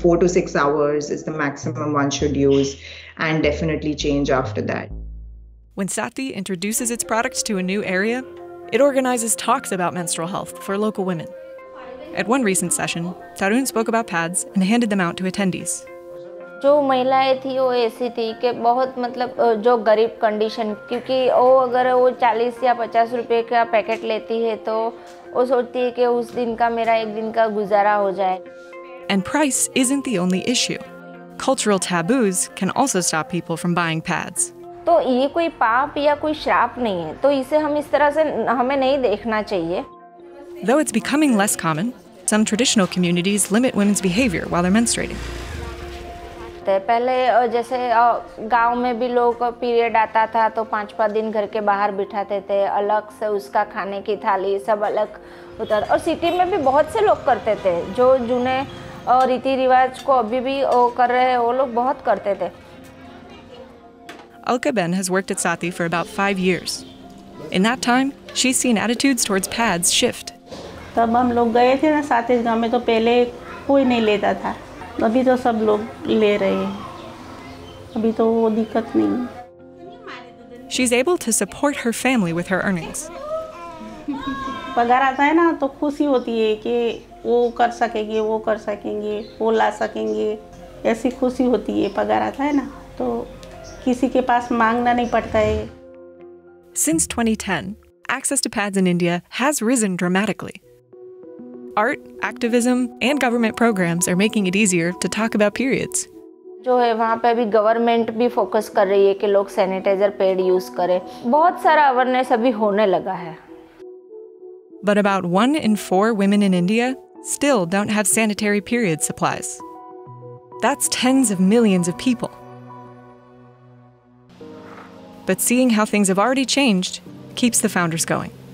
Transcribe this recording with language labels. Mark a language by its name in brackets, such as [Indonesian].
[English] 4 to 6 hours is the maximum one should use, and definitely change after that. When Sati introduces its products to a new area, it organizes talks about menstrual health for local women. At one recent session, Tarun spoke about pads and handed them out to attendees. [Hindi] जो महिलाएं थी वो ऐसी थी कि बहुत मतलब जो गरीब कंडीशन क्योंकि वो अगर वो 40 या 50 रुपए का पैकेट लेती है तो वो सोचती है कि उस दिन का मेरा एक दिन का गुजारा हो जाए. [English] And price isn't the only issue. Cultural taboos can also stop people from buying pads. [Hindi] तो ये कोई पाप या कोई श्राप नहीं है तो इसे हम इस तरह से हमें नहीं देखना चाहिए. [English] Though it's becoming less common, some traditional communities limit women's behavior while they're menstruating. [Hindi] पहले जैसे गांव में भी लोग पीरियड आता था तो 5-5 दिन घर के बाहर बिठाते थे अलग से उसका खाने की थाली सब अलग उतर और सिटी में भी बहुत से लोग करते थे जो जूने रीति रिवाज को अभी भी कर रहे हैं वो लोग बहुत करते थे. [English] Alkaben has worked at Sati for about 5 years. In that time, she's seen attitudes towards pads shift. [Hindi] तब हम लोग गए थे ना साथी गांव में तो पहले कोई नहीं लेता था. अभी तो सब लोग ले रहे हैं अभी तो वो दिक्कत नहीं. [English] She's able to support her family with her earnings. [Hindi] पगार आता है ना तो खुशी होती है कि वो कर सकेंगे वो ला सकेंगे ऐसी खुशी होती है पगार आता है ना तो किसी के पास मांगना नहीं पड़ता है. [English] Since 2010, access to pads in India has risen dramatically. Art, activism, and government programs are making it easier to talk about periods. [Hindi] जो है वहाँ पे भी government भी focus कर रही है कि लोग sanitizer pad use करें. बहुत सारा awareness अभी होने लगा है. [English] But about 1 in 4 women in India still don't have sanitary period supplies. That's tens of millions of people. But seeing how things have already changed keeps the founders going.